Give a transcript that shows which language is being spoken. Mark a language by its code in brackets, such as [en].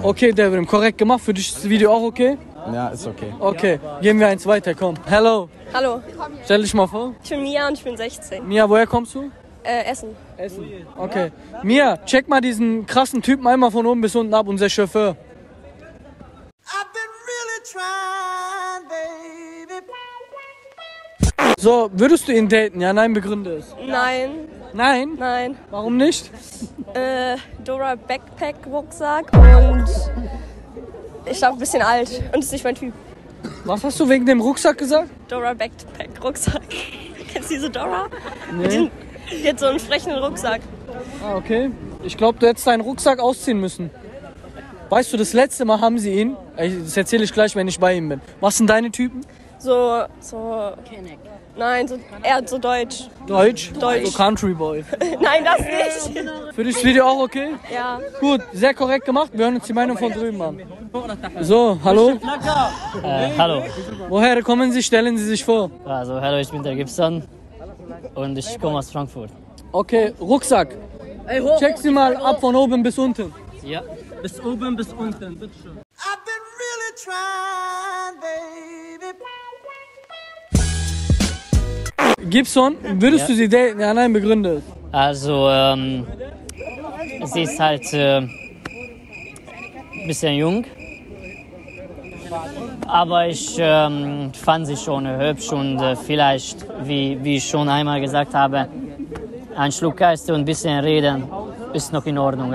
[de] Okay, Devrim, korrekt gemacht. Für dich ist das Video auch okay? Ja, ist okay. Okay, gehen wir eins weiter, komm. [en] Hello. [de] Hallo. Stell dich mal vor. Ich bin Mia und ich bin 16. Mia, woher kommst du? Essen. Essen. Okay. Mia, check mal diesen krassen Typen einmal von oben bis unten ab, unser Chauffeur. [en] I've been really trying, baby. [de] So, würdest du ihn daten? Ja, nein, begründe es. Nein. Nein? Nein. Warum nicht? Dora Backpack Rucksack und ich glaube ein bisschen alt und ist nicht mein Typ. Was hast du wegen dem Rucksack gesagt? Dora Backpack Rucksack. Kennst du diese Dora? Nee. Die hat so einen frechen Rucksack. Ah, okay. Ich glaube, du hättest deinen Rucksack ausziehen müssen. Weißt du, das letzte Mal haben sie ihn, das erzähle ich gleich, wenn ich bei ihm bin. Was sind deine Typen? So, nein, so, eher so deutsch. Deutsch? Deutsch. So Country Boy. Nein, das nicht. Für dich das Video auch okay? Ja. Gut, sehr korrekt gemacht. Wir hören uns die Meinung von drüben an. So, hallo. Hallo. Woher kommen Sie? Stellen Sie sich vor. Also, hallo, ich bin der Gibson und ich komme aus Frankfurt. Okay, Rucksack. Ey, check sie mal ab von oben bis unten. Ja. Bis oben, bis unten, bitteschön. [en] I've been really trying, baby. [de] Gibson, würdest du sie daten? Ja, nein, begründe. Also, sie ist halt ein bisschen jung. Aber ich fand sie schon hübsch und vielleicht, wie ich schon einmal gesagt habe, ein Schluck Geiste und ein bisschen reden ist noch in Ordnung.